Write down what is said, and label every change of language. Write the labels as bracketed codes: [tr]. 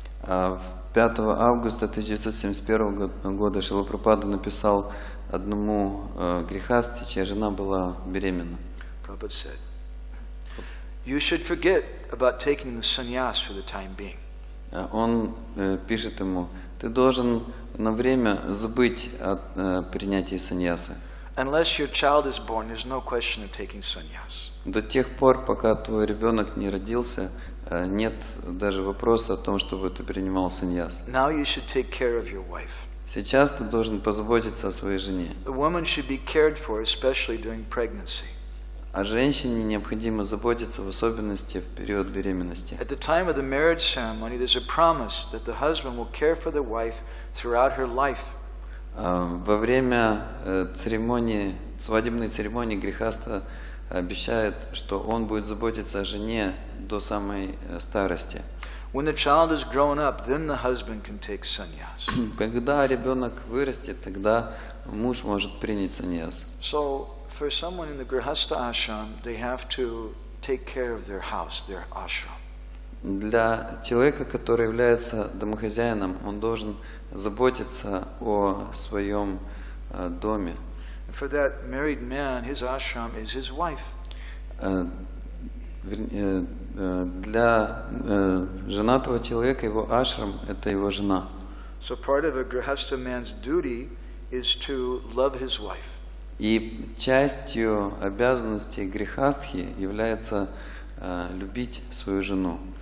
[ru] 5 августа 1971 года Шрила Прабхупада написал одному грихастхе, чья жена была беременна. [en] Prabhupada said, you should forget about taking the sannyas for the time being. [ru] Он пишет ему, ты должен на время забыть о принятии саньяса. [en] Unless your child is born, there's no question of taking sannyas. [ru] До тих пор, пока твой ребенок не родился, нет даже вопроса о том, чтобы ты принимал саньяс. [en] Now you should take care of your wife. [ru] Сейчас ты должен позаботиться о своей жене. [en] The woman should be cared for, especially during pregnancy. [ru] О женщине необходимо заботиться, в особенности в период беременности. [en] At the time of the marriage ceremony, there's a promise that the husband will care for the wife throughout her life. [ru] Во время церемонии, свадебной церемонии, грехаста обещает, что он будет заботиться о жене до самой старости. [en] When the child is grown up, then the husband can take sannyas. [ru] Когда ребенок вырастет, тогда муж может принять саньяс. [en] So for someone in the grihastha ashram, they have to take care of their house, their ashram. [ru] Для человека, который является домохозяином, он должен заботиться о своем доме. [en] For that married man, his ashram is his wife. [ru] Для женатого человека его ашрам — это его жена. [en] So part of a grihastha man's duty is to love his wife. [ru] И частью обязанности грихастхи является любить свою жену.